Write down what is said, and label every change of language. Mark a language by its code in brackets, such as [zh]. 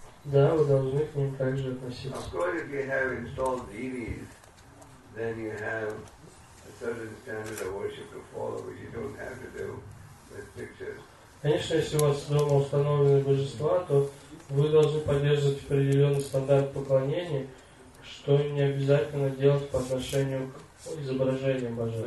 [ru] Да, вы должны к ним также относиться. [en] Of course, if you have installed deities, then you have a certain standard of worship to follow, which you don't have to do with pictures. [ru] Конечно, если у вас дома установлены божества, то вы должны поддерживать определенный стандарт поклонения, что не обязательно делать по отношению к изображениям